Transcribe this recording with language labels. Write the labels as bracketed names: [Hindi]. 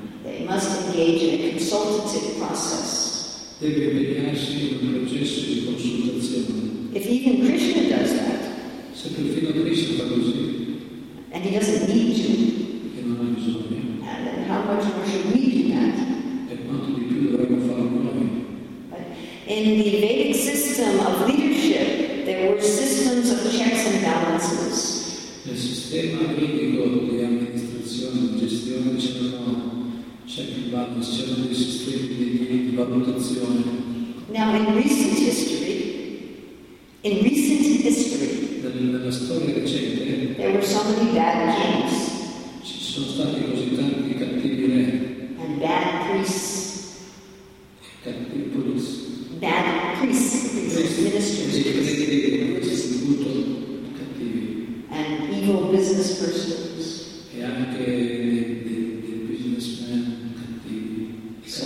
[English] they must engage in a consultative process. [Italian] Deve impegnarsi in un processo di consultazione. [English] If even Krishna does that, [Italian] se perfino Krishna fa così, [English] and he doesn't need to, [Italian] e non ha bisogno, [English] and then how much more should we do that? [Italian] E quanto di più dovremmo farlo noi? [English] But in the Vedic system of leadership, there were systems of checks and balances. [Italian] Nel sistema medico di amministrazione, gestione, c'erano [English] check and balances, [Italian] c'erano dei sistemi di valutazione. [English] Now, in recent history, [Italian] nella storia recente, [English] there were so many bad kings. [Italian] Ci sono stati così tanti cattivi re. [English] And bad priests. [Italian] Cattivi polizi. [English] Bad priests, ministers, and evil business persons. [Italian] E anche dei businessmen cattivi.